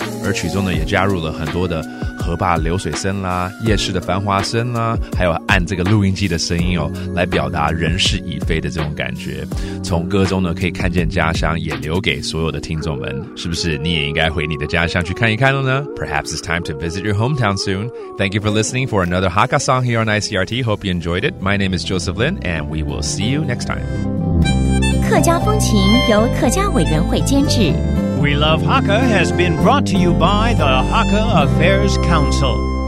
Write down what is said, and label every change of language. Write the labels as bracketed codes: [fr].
[zh] 而曲中呢也加入了很多的河坝流水声啦，夜市的繁华声啦，还有按这个录音机的声音哦，来表达人事已非的这种感觉。从歌中呢可以看见家乡，也留给所有的听众们，是不是你也应该回你的家乡去看一看了呢？ [en] Perhaps it's time to visit your hometown soon. Thank you for listening for another Hakka song here on ICRT. Hope you enjoyed it. My name is Joseph Lin and we will see you next time. [zh] 客家风情由客家委员会监制， [en] We Love Hakka has been brought to you by the Hakka Affairs Council.